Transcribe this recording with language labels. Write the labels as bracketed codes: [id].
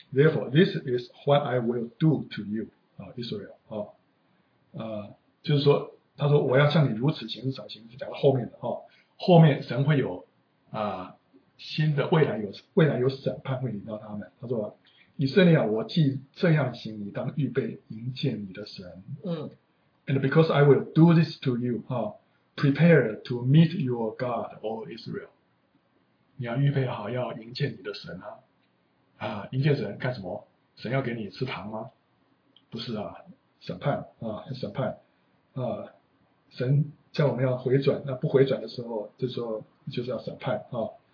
[en] therefore this is what I will do to you [zh] 啊 Israel 啊，就是说他说我要向你如此行是什么行，是讲到后面的啊，后面神会有新的未来有审判会临到他们。他说以色列啊，我既这样行，你当预备迎接你的神。 [en] And because I will do this to you, prepare to meet your God, O Israel. [zh] 你要预备好要迎接你的神啊！啊，迎接神干什么？神要给你吃糖吗？不是啊，审判啊，审判啊！神叫我们要回转，那不回转的时候，这时候就是要审判啊！